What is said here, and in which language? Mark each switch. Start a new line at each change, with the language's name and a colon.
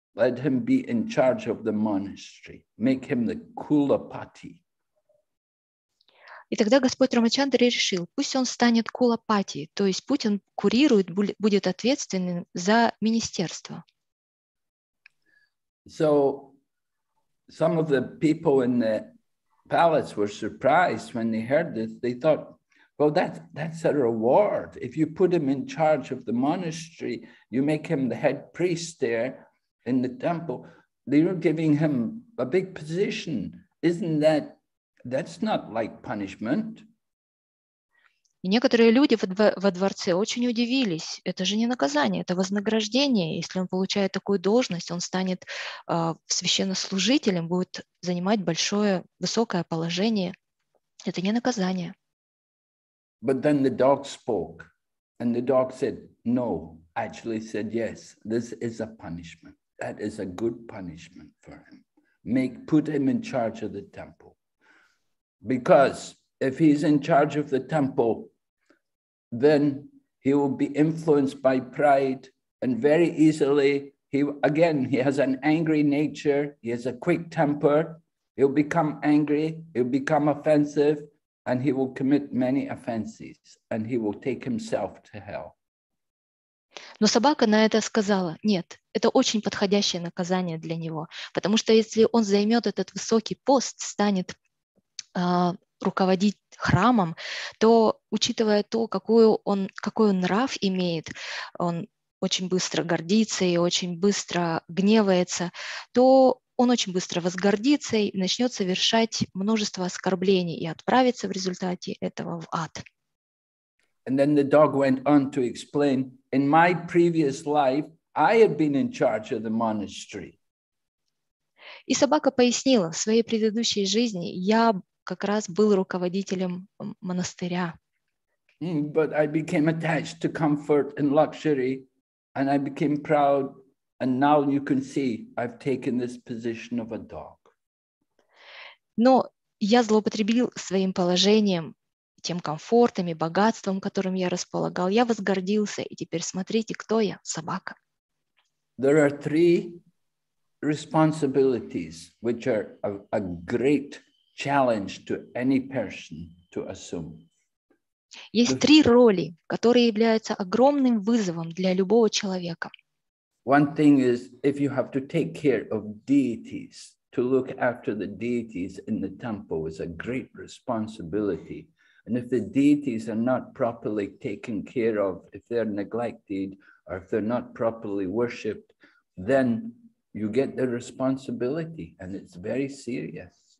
English: Let him be in charge of the monastery. Make him the Kulapati.
Russian: И тогда Господь Рамачандра решил, пусть он станет Кулапати, то есть пусть он курирует, будет ответственным за министерство.
English: So, some of the people in the palace were surprised when they heard this. They thought, well, that's a reward. If you put him in charge of the monastery, you make him the head priest there, in the temple, they're giving him a big position. Isn't that, that's not like punishment.
Russian: И некоторые люди во дворце очень удивились. Это же не наказание, это вознаграждение. Если он получает такую должность, он станет священнослужителем, будет занимать большое, высокое положение. Это не наказание.
English: But then the dog spoke, and the dog said, no, actually said, yes, this is a punishment. That is a good punishment for him. Put him in charge of the temple. Because if he's in charge of the temple, then he will be influenced by pride and very easily, he has an angry nature, he has a quick temper, he'll become angry, he'll become offensive, and he will commit many offenses, and he will take himself to hell.
Russian: Но собака на это сказала, нет, это очень подходящее наказание для него, потому что если он займет этот высокий пост, станет руководить храмом, то, учитывая то, какой он нрав имеет, он очень быстро гордится и очень быстро гневается, то он очень быстро возгордится и начнет совершать множество оскорблений и отправится в результате этого в ад.
English: And then the dog went on to explain, in my previous life, I had been in charge of the monastery.
Russian: И собака пояснила, в своей предыдущей жизни я как раз был руководителем монастыря.
English: But I became attached to comfort and luxury, and I became proud, and now you can see I've taken this position of a dog.
Russian: Но я злоупотребил своим положением, тем комфортом и богатством, которым я располагал. Я возгордился, и теперь смотрите, кто я, собака.
English: There are three responsibilities, which are a great challenge to any person to assume.
Russian: Есть три роли, которые являются огромным вызовом для любого человека.
English: One thing is, if you have to take care of deities, to look after the deities in the temple is a great responsibility. And if the deities are not properly taken care of, if they're neglected, or if they're not properly worshipped, then you get the responsibility, and it's very serious.